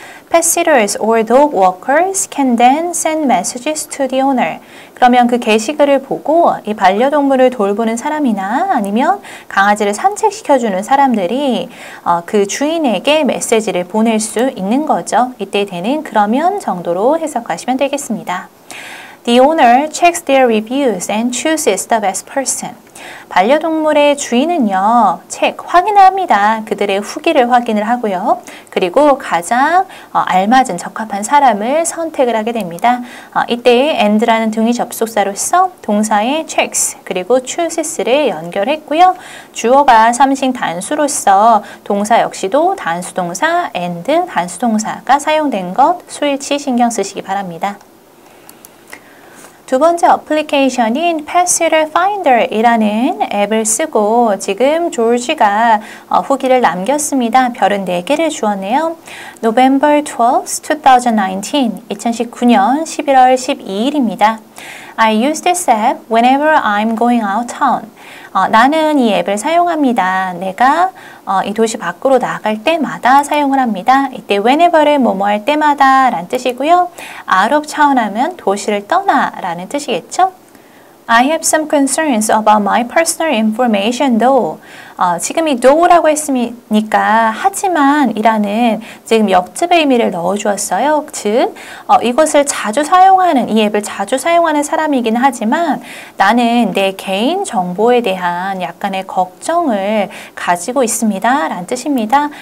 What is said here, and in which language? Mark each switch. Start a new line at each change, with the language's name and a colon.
English: Pet sitters or dog walkers can then send messages to the owner.
Korean: 그러면 그 게시글을 보고 이 반려동물을 돌보는 사람이나 아니면 강아지를 산책시켜주는 사람들이 그 주인에게 메시지를 보낼 수 있는 거죠. 이때 되는 그러면 정도로 해석하시면 되겠습니다.
English: The owner checks their reviews and chooses the best person.
Korean: 반려동물의 주인은요, 확인을 합니다. 그들의 후기를 확인을 하고요. 그리고 가장 알맞은, 적합한 사람을 선택을 하게 됩니다. 이때 and라는 등이 접속사로서 동사의 checks 그리고 chooses를 연결했고요. 주어가 3인칭 단수로서 동사 역시도 단수동사 and 단수동사가 사용된 것 수일치 신경 쓰시기 바랍니다. 두 번째 어플리케이션인 Pet Sitter Finder이라는 앱을 쓰고 지금 조지가 후기를 남겼습니다. 별은 4개를 주었네요. November 12, 2019, 2019년 11월 12일입니다.
English: I use this app whenever I'm going out town.
Korean: 나는 이 앱을 사용합니다. 내가 이 도시 밖으로 나갈 때마다 사용을 합니다. 이때 whenever를 뭐뭐 할 때마다 라는 뜻이고요. out of town 하면 도시를 떠나 라는 뜻이겠죠.
English: I have some concerns about my personal information though.
Korean: 지금 이 though라고 했으니까 하지만 이라는 지금 역집의 의미를 넣어주었어요. 즉 이것을 자주 사용하는, 이 앱을 자주 사용하는 사람이긴 하지만 나는 내 개인 정보에 대한 약간의 걱정을 가지고 있습니다 라는 뜻입니다.